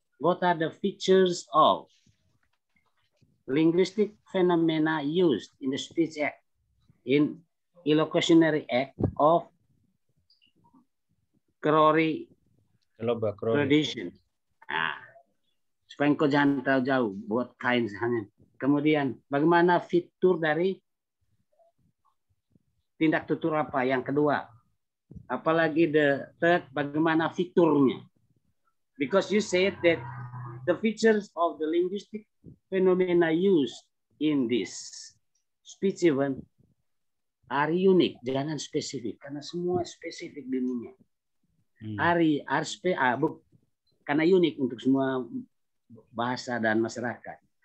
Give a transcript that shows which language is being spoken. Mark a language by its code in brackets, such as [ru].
[en] What are the features of linguistic phenomena used in the speech act in elocutionary act of Krori tradition. [id] Ah. Supaya engkau jangan terlalu jauh buat kinds. Kemudian bagaimana fitur dari tindak tutur apa yang kedua? Apalagi [en] the third, [id] bagaimana fiturnya? [en] Because you said that the features of the linguistic phenomena used in this speech event are unique. [id] Jangan spesifik, karena semua spesifik di dunia. Karena unik untuk semua bahasa dan masyarakat.